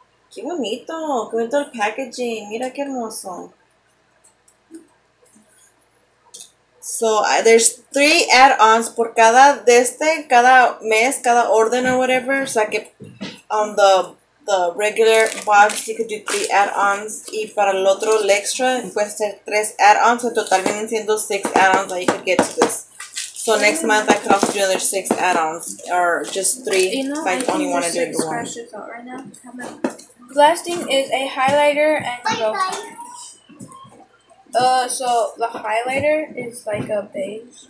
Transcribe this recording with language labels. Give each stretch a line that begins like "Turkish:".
Spanish: Qué bonito. Qué bonito el packaging. Mira qué hermoso.
English: So there's 3 add-ons
Spanish: por cada de este, cada mes, cada orden
English: or whatever. So I could, on the regular box, you could do 3 add-ons.
Spanish: Y para el otro, el extra, puede ser 3 add-ons.
English: So
Spanish: total vienen siendo
English: 6 add-ons that you could get to this. So next month, I could also do another 6 add-ons. Or just 3, you know, if I only want to do 1. Right now. Blasting is a highlighter and glow. So the highlighter is like a beige.